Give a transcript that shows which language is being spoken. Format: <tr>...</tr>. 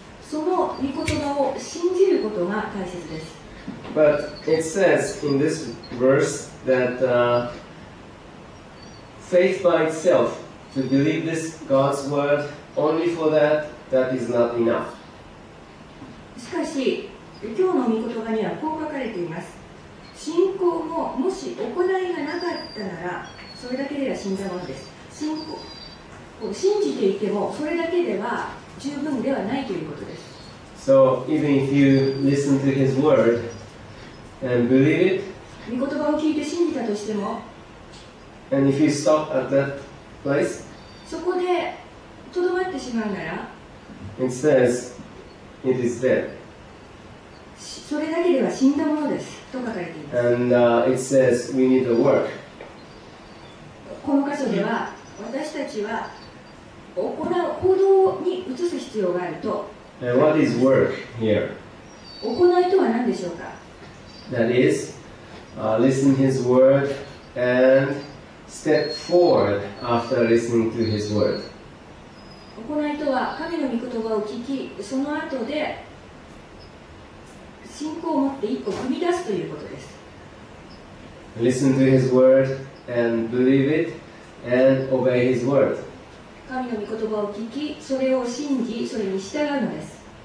<ja>その御言葉を信じることが大切です。</ja> <en>But it says in this verse that faith by itself, to believe this God's word only for that, that is not enough.</en> <ja>しかし、今日の御言葉にはこう書かれています。信仰ももし行いがなかったなら、それだけでは死んだものです。信じていてもそれだけでは十分ではないということです。</ja> <en>So even if you listen to his word and believe it,</en> <ja>御言葉を聞いて信じたとしても、</ja> <en>and if you stop at that place,</en> <ja>そこでとどまってしまうなら、</ja> <en>it says it is dead.</en> <ja>それだけでは死んだものですと書かれています。</ja> <en>And it says we need a work.</en> <ja>この箇所では私たちは行動に移す必要があると。</ja> <en>And what is work here?</en> <ja>行いとは何でしょうか?</ja> <en>That is, listen to his word and step forward after listening to his word.</en> <ja>行いとは神の御言葉を聞き、その後で信仰を持って一歩踏み出すということです。</ja> <en>Listen to his word and believe it and obey his word.</en> <ja>神の御言葉を聞き、それを信じ、それに従うのです。</ja>